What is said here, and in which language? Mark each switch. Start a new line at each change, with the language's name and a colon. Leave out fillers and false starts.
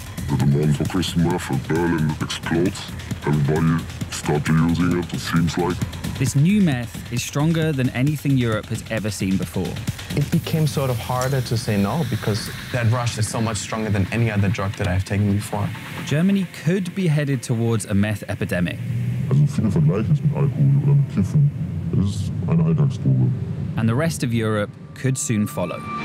English: The demand for crystal meth in Berlin explodes. Everybody started using it, it seems like. This new meth is stronger than anything Europe has ever seen before. It became sort of harder to say no because that rush is so much stronger than any other drug that I've taken before. Germany could be headed towards a meth epidemic.
German: Also, viele vergleichen es mit Alkohol oder mit Kiffen. Es ist eine Alltagsdroge.
English: And the rest of Europe could soon follow.